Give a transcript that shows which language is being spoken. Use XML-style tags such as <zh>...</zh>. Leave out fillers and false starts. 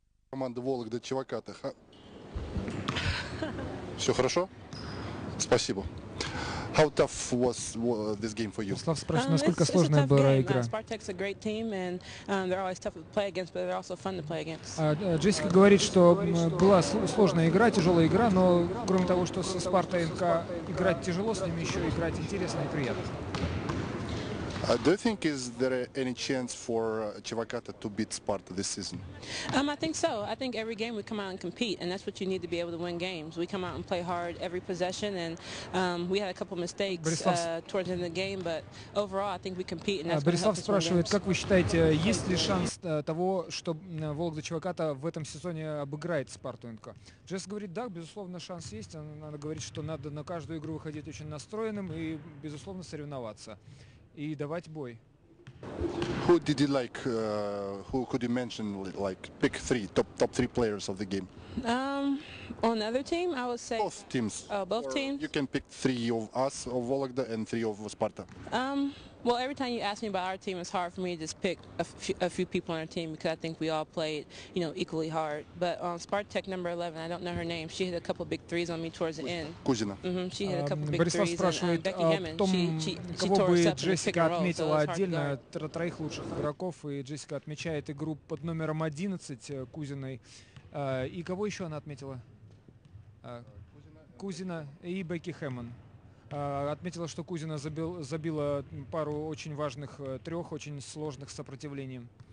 <ru>Команда Вологда Чеваката. Все хорошо? Спасибо.</ru> <en>How tough was this game for you?</en> <ru>Слав спрашивает, насколько сложная была игра.</ru> <en>Spartak's a great team and they're always tough to play against, but they're also fun to play against.</en> <ru>Джессика говорит, что была сложная игра, тяжелая игра, но кроме того, что со Спартой НК играть тяжело, с ними еще играть интересно и приятно.</ru> <en>Do you think is there any chance for Чеваката to beat Sparta this season? I think so. I think every game we come out and compete, and that's what you need to be able to win games. We come out and play hard every possession, and we had a couple mistakes towards the end of the game, but overall I think we compete, and that's what</en> <ru>Борислав спрашивает, как вы считаете, есть ли шанс того, что Вологда Чеваката в этом сезоне обыграет Спарту НК? Джесс говорит, да, безусловно, шанс есть. Она говорит, что надо на каждую игру выходить очень настроенным и, безусловно, соревноваться. И давать бой.</ru> <en>Who did you like? Who could you mention? Like pick three, top three players of the game. On the other team, I would say both teams. Both teams. You can pick three of us of Вологда and three of Sparta. Well, every time you ask me about our team, it's hard for me to just pick a few people on our team because I think we all played, you know, equally hard. But Spartak number 11, I don't know her name. She hit a couple big threes on me towards the end.</en> <ru>Кузина.</ru> <en>Mm-hmm. She hit a couple big threes. Борислав</en> <ru>спрашивает,</ru> <en>Becky Hammond. She tore us up in the pick and roll.</en> <ru>Отметила отдельно троих лучших игроков, и Джессика отмечает игру под номером 11 Кузиной. И кого еще она отметила? Кузина и Бекки Хэммон. Отметила, что Кузина забила пару очень важных трех, очень сложных с сопротивлением.</ru>